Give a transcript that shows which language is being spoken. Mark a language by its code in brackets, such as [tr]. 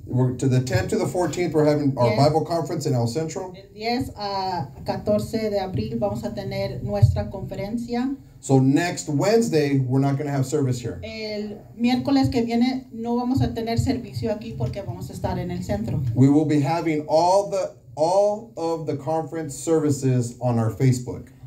[en] We're to the 10th to the 14th, we're having our Bible conference in El Centro. [es] El 10 a 14 de abril, vamos a tener nuestra conferencia. [en] So next Wednesday, we're not going to have service here. [es] El miércoles que viene, no vamos a tener servicio aquí porque vamos a estar en el centro. [en] We will be having all of the conference services on our Facebook.